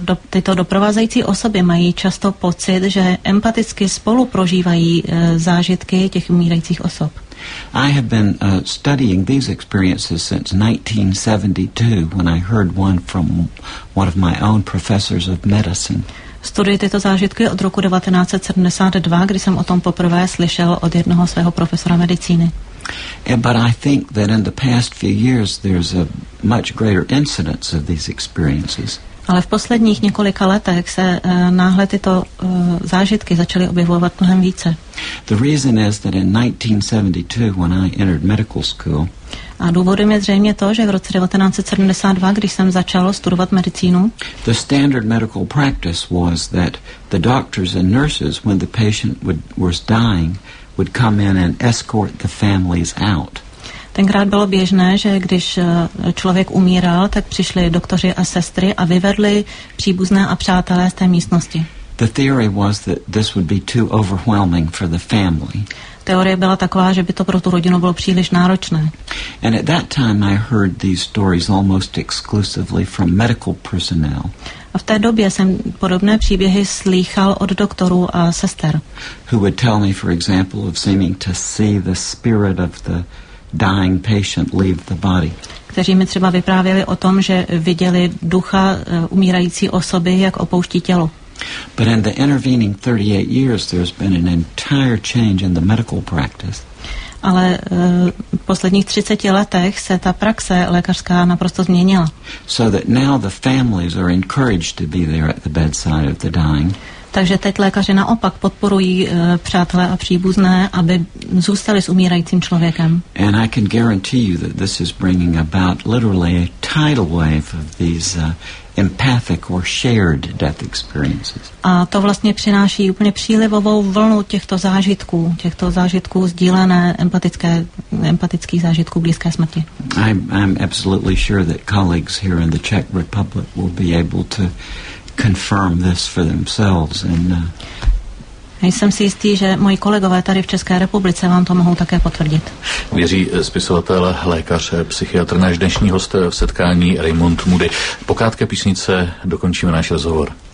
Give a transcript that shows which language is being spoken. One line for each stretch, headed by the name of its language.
Czech: tyto doprovázející osoby mají často pocit, že empaticky spolu prožívají zážitky těch umírajících osob.
English: I have been studying these experiences since 1972 when I heard one from one of my own professors of medicine.
Czech: Studuji tyto zážitky od roku 1972, kdy jsem o tom poprvé slyšel od jednoho svého profesora medicíny.
English: But I think that in the past few years there's a much greater incidence of these experiences.
Czech: Ale v posledních několika letech se náhle tyto zážitky začaly objevovat mnohem více.
English: The reason is that in 1972 when I entered medical school.
Czech: A důvodem je zřejmě to, že v roce 1972, když jsem začal studovat medicínu.
English: The standard medical practice was that the doctors and nurses when the patient was dying would come in and escort the families out.
Czech: Tenkrát bylo běžné, že když člověk umíral, tak přišli doktoři a sestry a vyvedli příbuzné a přátelé z té místnosti.
English: The theory was that this would be too overwhelming for the family.
Czech: Teorie byla taková, že by to pro tu rodinu bylo příliš náročné.
English: And at that time I heard these stories almost exclusively from medical personnel.
Czech: A v té době jsem podobné příběhy slýchal od doktorů a sester.
English: Who would tell me, for example, of seeming to see the spirit of the dying patient leave the body.
Czech: Kteří mi třeba vyprávěli o tom, že viděli ducha umírající osoby, jak opouští tělo.
English: But in the intervening 38 years there's been an entire change in the medical practice.
Czech: Ale v posledních 30 letech se ta praxe lékařská naprosto změnila.
English: So that now the families are encouraged to be there at the bedside of the dying.
Czech: Takže teď lékaři naopak podporují přátelé a příbuzné, aby zůstali s umírajícím člověkem.
English: And I can guarantee you that this is bringing about literally a tidal wave of these empathic or shared death experiences.
Czech: A to vlastně přináší úplně přílivovou vlnu těchto zážitků sdílené empatických zážitků blízké smrti.
English: I'm absolutely sure that colleagues here in the Czech Republic will be able to confirm this for themselves and
Czech: jsem si jistý, že moji kolegové tady v České republice vám to mohou také potvrdit. Věří spisovatel, lékař, psychiatr, náš dnešní host v setkání Raymond Moody. Po krátké písnice dokončíme náš rozhovor.